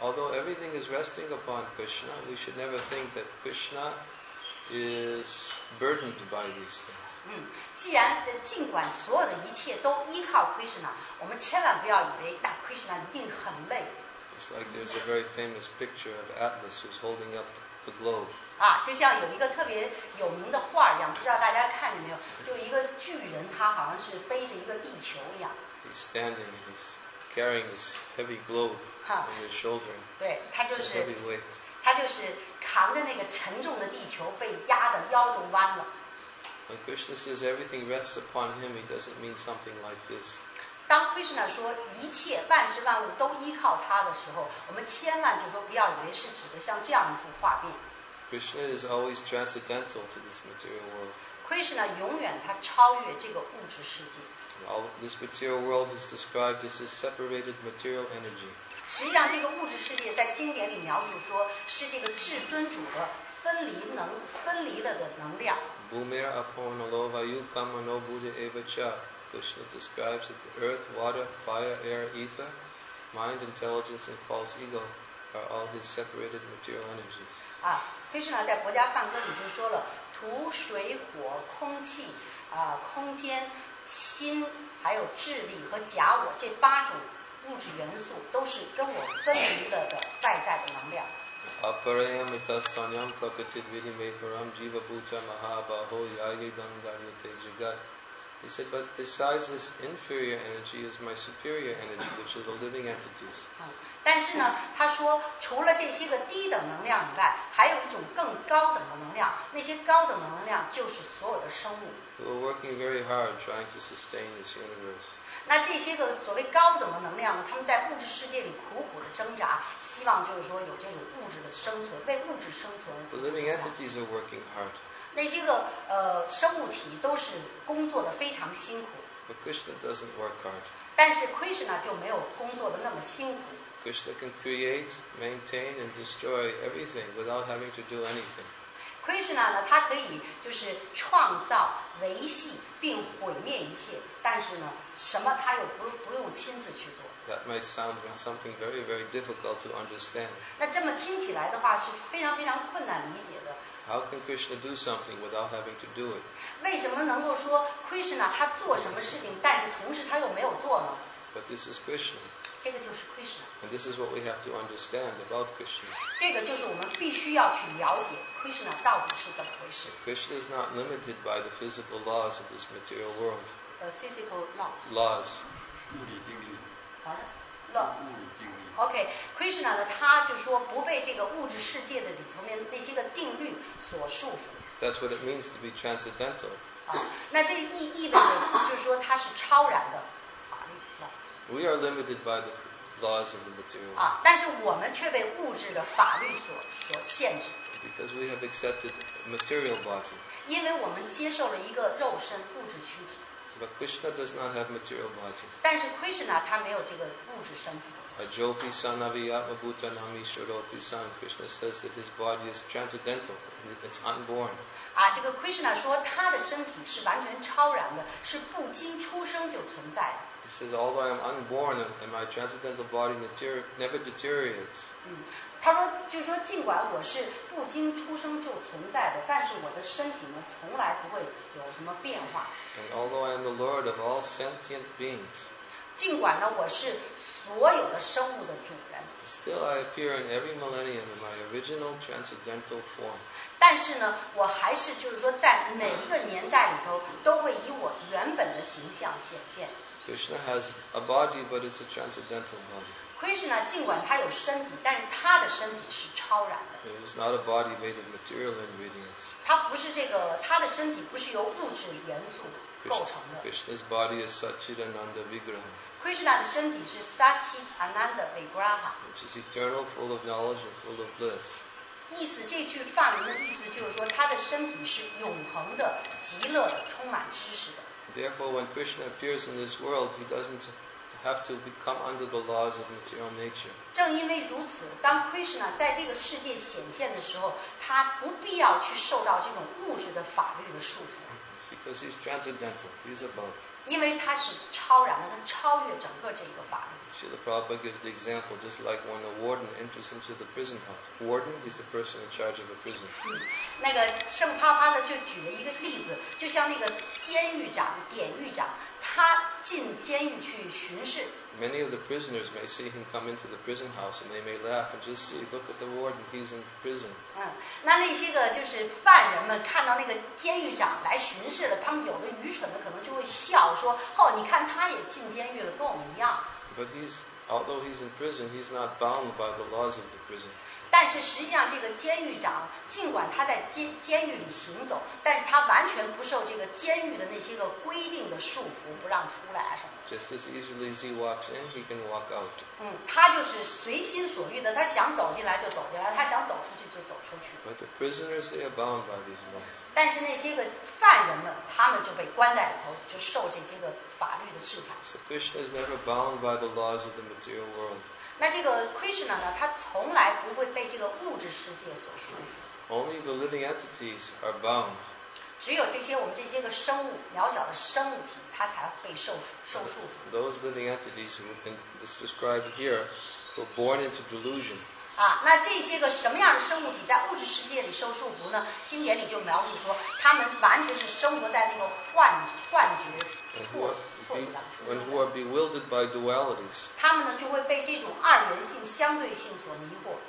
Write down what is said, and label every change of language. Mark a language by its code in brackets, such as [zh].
[en] Although everything is resting upon Krishna, we should never think that Krishna is burdened by these things. [zh] 既然尽管所有的一切都依靠 Krishna, 我们千万不要以为那 Krishna 一定很累。 [en] It's like there's a very famous picture of Atlas who's holding up the globe. [zh] 啊，就像有一个特别有名的画一样，不知道大家看见没有？就一个巨人，他好像是背着一个地球一样。 [en] He's standing in this. Carrying this heavy globe on his shoulder. [zh] 对，他就是 [en] heavy weight. [zh] 他就是扛着那个沉重的地球，被压得腰都弯了。 [en] When Krishna says everything rests upon him, he doesn't mean something like this. [zh] 当 Krishna 说一切万事万物都依靠他的时候，我们千万就说不要以为是指的像这样一幅画面。 [en] Krishna is always transcendental to this material world. [zh] Krishna 永远他超越这个物质世界。 [en] All this material world is described as a separated material energy. [zh] 实际上，这个物质世界在经典里描述说是这个至尊主的分离能分离了的能量。 [sa] Bhumir apurna lovayu kamano buddha evacha. [en] Krishna describes that the earth, water, fire, air, ether, mind, intelligence, and false ego are all his separated material energies. [zh] 啊，黑师呢在《薄伽梵歌》里就说了，土、水、火、空气，啊，空间。心还有智力和假我这八种物质元素都是跟我分离了 的外在的能量。 [sa] Aparayam itastanyam prakatid vidhi mekaram jiva bhuta mahabaho yagi dandarya te jagat. [en] He said, but besides this inferior energy is my superior energy, which are the living entities. [zh] 但是呢，他说除了这些个低等能量以外，还有一种更高等的能量，那些高等的能量就是所有的生物。 [en] We're working very hard trying to sustain this universe. [zh] 那这些个所谓高等的能量呢，他们在物质世界里苦苦的挣扎，希望就是说有这种物质的生存，为物质生存。 [en] The living entities are working hard. [zh] 那些个生物体都是工作的非常辛苦。 [en] But Krishna doesn't work hard. [zh] 但是 Krishna 就没有工作的那么辛苦。 [en] Krishna can create, maintain, and destroy everything without having to do anything. [zh] Krishna 呢，他可以就是创造、维系并毁灭一切，但是呢，什么他又不用亲自去做。 [en] That might sound something very, very difficult to understand. [zh] 那这么听起来的话是非常非常困难理解的。 [en] How can Krishna do something without having to do it? [zh] 为什么能够说 Krishna 他做什么事情，但是同时他又没有做呢 [en] ？But this is Krishna. [zh] 这个就是 Krishna. [en] And this is what we have to understand about Krishna. [zh] 这个就是我们必须要去了解。 Krishna 到底是怎么回事 [en] ？Krishna is not limited by the physical laws of this material world. Physical laws. Laws. [zh] 物理定律。好的。 [en] Law. [zh] 物理定律。 [en] Okay, [zh] Krishna 呢，他就说不被这个物质世界的里头面那些个定律所束缚。 [en] That's what it means to be transcendental. [zh] 那这意味着就是说他是超然的。 [en] We are limited by the laws of the material. [zh] 但是我们却被物质的法律所限制。 [en] Because we have accepted a material body. [zh] 因为我们接受了一个肉身物质躯体。 [en] But Krishna does not have material body. [zh] 但是 Krishna 他没有这个物质身体。 [sa] Ajopi sanaviyatma bhuta nami shuropi san. [en] Krishna says that his body is transcendental. It's unborn. [zh] 这个 Krishna 说他的身体是完全超然的，是不经出生就存在的。 [en] He says, although I am unborn, and my transcendental body never deteriorates. [zh] 他说，就是说，尽管我是不经出生就存在的，但是我的身体呢，从来不会有什么变化。 [en] And although I am the Lord of all sentient beings, [zh] 尽管呢，我是所有的生物的主人。 [en] Still, I appear in every millennium in my original transcendental form. [zh] 但是呢，我还是就是说，在每一个年代里头，都会以我原本的形象显现。 [en] Krishna has a body, but it's a transcendental body. [zh] Krishna, 尽管他有身体，但是他的身体是超然的。 [en] It is not a body made of material ingredients. [zh] 他不是这个，他的身体不是由物质元素构成的。 [en] Krishna's body is Satchidananda Vigraha. [zh] Krishna 的身体是 Satchidananda Vigraha, [en] which is eternal, full of knowledge and full of bliss. [zh] 意思这句梵文的意思就是说，他的身体是永恒的、极乐的、充满知识的。 [en] Therefore, when Krishna appears in this world, he doesn't have to become under the laws of material nature. [zh] 正因为如此，当 Krishna 在这个世界显现的时候，他不必要去受到这种物质的法律的束缚。 [en] Because he's transcendental, he's above. [zh] 因为它是超然的，它超越整个这个法律。 [en] Srila Prabhupada gives the example just like when a warden enters into the prison house. Warden is the person in charge of a prison. [zh] 那个圣帕帕的就举了一个例子，就像那个监狱长、典狱长，他进监狱去巡视。 [en] Many of the prisoners may see him come into the prison house and they may laugh and just say, look at the warden, he's in prison. [zh] 那些个就是犯人们看到那个监狱长来巡视了，他们有的愚蠢的可能就会笑说，哦，你看他也进监狱了，跟我们一样。 [en] But he's, although he's in prison, he's not bound by the laws of the prison. [zh] 但是实际上这个监狱长尽管他在 监狱里行走，但是他完全不受这个监狱的那些个规定的束缚，不让出来什么。 [en] Just as easily as he walks in, he can walk out. [zh] 他就是随心所欲的，他想走进来就走进来，他想走出去就走出去。 [en] But the prisoners, they are bound by these laws. [zh] 但是那些个犯人们，他们就被关在里头，就受这些个法律的制裁。 [en] So Krishna is never bound by the laws of the material world. [zh] 那这个 Krishna 呢，他从来不会被这个物质世界所束缚。 [en] Only the living entities are bound. [zh] 只有这些我们这些个生物渺小的生物体，它才被受束缚。 [en] Those living entities who can be described here were born into delusion. [zh] 那这些个什么样的生物体在物质世界里受束缚呢？经典里就描述说，他们完全是生活在那个幻觉错误当中。 [en] And who are bewildered by dualities. [zh] 他们呢就会被这种二元性、相对性所迷惑。